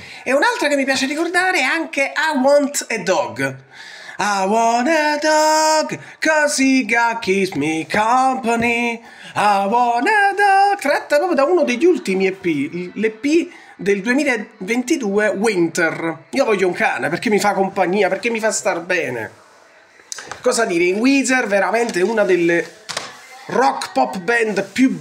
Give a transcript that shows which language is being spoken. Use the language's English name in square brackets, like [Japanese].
[Italian] E un'altra che mi piace ricordare è anche I Want a Dog. [English] I want a dog, cause he got keeps me company. [Italian] I want a dog, tratta proprio da uno degli ultimi EP, l'EP del 2022, Winter. Io voglio un cane perché mi fa compagnia, perché mi fa star bene. Cosa dire, in Weezer veramente una delle rock pop band più brave, veramente più meritevoli degli ultimi 30 anni.